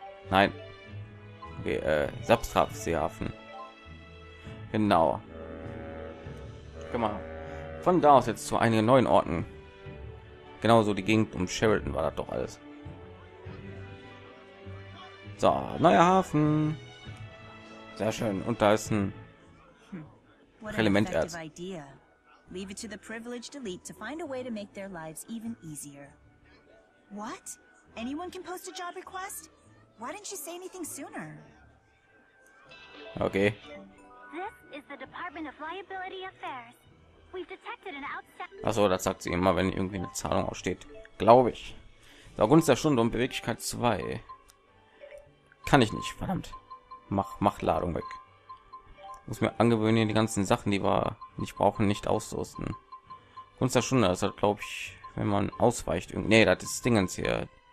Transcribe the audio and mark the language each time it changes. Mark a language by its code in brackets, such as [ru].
[de] Nein. Okay, Substraff-Seehafen. Genau. Guck mal. Von da aus jetzt zu einigen neuen Orten. Genauso die Gegend um Sheraton war das doch alles. So, neuer Hafen. Sehr schön. Und da ist ein Elementerz. [en] Leave it to the privileged elite to find a way to make their lives even easier. What? Anyone can post a job request? Why didn't you say anything sooner? Okay. This is the Department of Liability Affairs. We've detected an outstanding. [de] Achso, das sagt sie immer, wenn irgendwie eine Zahlung aussteht. Glaube ich. So, Gunst der Stunde und Beweglichkeit 2. Kann ich nicht, verdammt. Mach Ladung weg. Muss mir angewöhnen, die ganzen Sachen, die wir nicht brauchen, nicht auszurüsten. Gunst der Stunde, das hat, glaube ich, wenn man ausweicht. Nee, das ist Dingens hier.